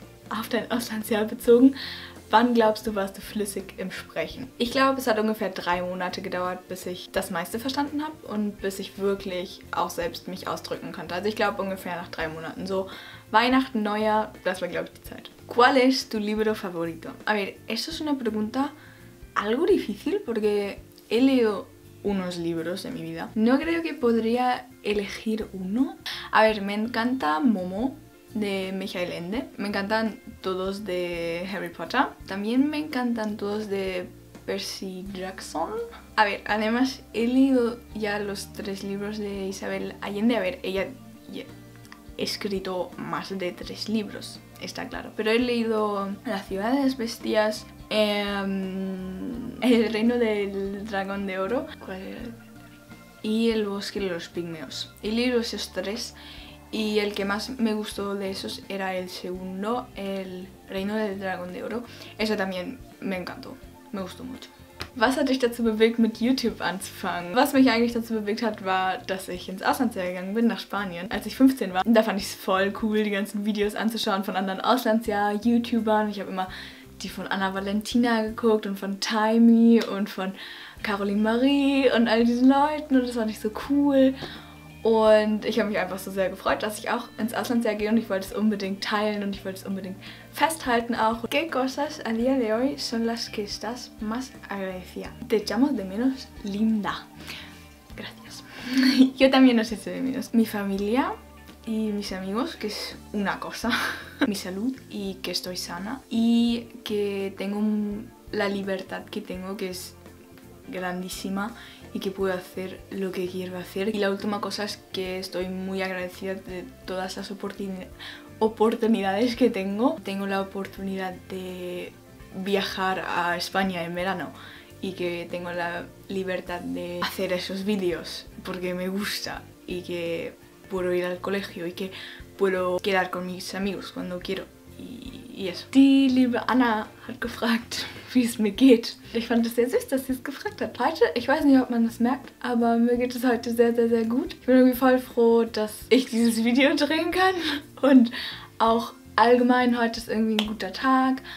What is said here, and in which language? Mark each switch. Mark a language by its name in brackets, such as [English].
[German] Auf dein Auslandsjahr bezogen. Wann glaubst du, warst du flüssig im Sprechen? Ich glaube, es hat ungefähr 3 Monate gedauert, bis ich das meiste verstanden habe und bis ich wirklich auch selbst mich ausdrücken konnte. Also ich glaube, ungefähr nach 3 Monaten. So Weihnachten, Neujahr, das war, glaube ich, die Zeit. [Spanish] ¿Cuál es tu libro favorito? A ver, esto es una pregunta algo difícil porque he leído unos libros en mi vida. No creo que podría elegir uno. A ver, me encanta Momo de Michael Ende. Me encantan todos de Harry Potter. También me encantan todos de Percy Jackson. A ver, además he leído ya los 3 libros de Isabel Allende. A ver, ella ha escrito más de 3 libros, está claro. Pero he leído La ciudad de las bestias, El reino del dragón de oro y El bosque de los pigmeos. He leído esos 3. Y el que más me gustó de esos era el segundo, El reino del dragón de oro. Eso también me encantó, me gustó mucho. [German] Was hat dich dazu bewegt, mit YouTube anzufangen? Was mich eigentlich dazu bewegt hat, war, dass ich ins Auslandsjahr gegangen bin, nach Spanien, als ich 15 war. Da fand ich es voll cool, die ganzen Videos anzuschauen von anderen Auslandsjahr-YouTubern. Ich habe immer die von Anna Valentina geguckt und von Taimi und von Caroline Marie und all diesen Leuten. Und das fand ich so cool. Und ich habe mich einfach so sehr gefreut, dass ich auch ins Auslandsjahr gehe und ich wollte es unbedingt teilen und ich wollte es unbedingt festhalten auch. [Spanish] ¿Qué cosas a día de hoy son las que estás más agradecida? Te echamos de menos, linda. Gracias. Yo también os echo de menos. Mi familia y mis amigos, que es una cosa. Mi salud y que estoy sana. Y que tengo la libertad que tengo, que es grandísima. Y que puedo hacer lo que quiero hacer. Y la última cosa es que estoy muy agradecida de todas las oportunidades que tengo. Tengo la oportunidad de viajar a España en verano. Y que tengo la libertad de hacer esos vídeos porque me gusta. Y que puedo ir al colegio y que puedo quedar con mis amigos cuando quiero. Y eso. [German] Die liebe Anna hat gefragt, wie es mir geht. Ich fand es sehr süß, dass sie es gefragt hat. Heute, ich weiß nicht, ob man das merkt, aber mir geht es heute sehr, sehr, sehr gut. Ich bin irgendwie voll froh, dass ich dieses Video drehen kann. Und auch allgemein, heute ist irgendwie ein guter Tag.